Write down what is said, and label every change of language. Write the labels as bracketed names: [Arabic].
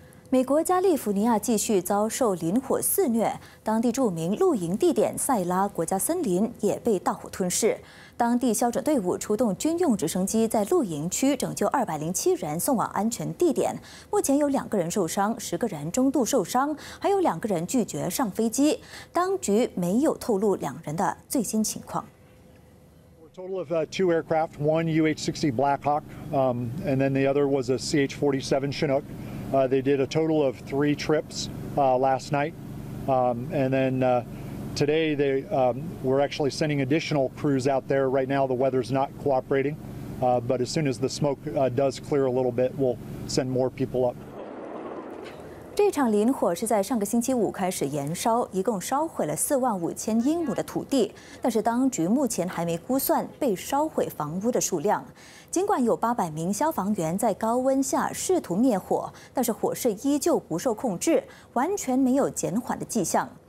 [Chinese] 美国加利福尼亚继续遭受林火肆虐，当地著名露营地点塞拉国家森林也被大火吞噬。当地消拯队伍出动军用直升机，在露营区拯救207人送往安全地点。目前有2个人受伤，10个人中度受伤，还有2个人拒绝上飞机。当局没有透露2人的最新情况。 [English] Total of two aircraft, one UH-60 Black Hawk, and then the other was a CH-47 Chinook. They did a total of 3 trips last night. And then today they were actually sending additional crews out there. Right now the weather's not cooperating. But as soon as the smoke does clear a little bit, we'll send more people up. [Chinese] 这场林火是在上个星期五开始燃烧，一共烧毁了45,000英亩的土地，但是当局目前还没估算被烧毁房屋的数量。尽管有800名消防员在高温下试图灭火，但是火势依旧不受控制，完全没有减缓的迹象。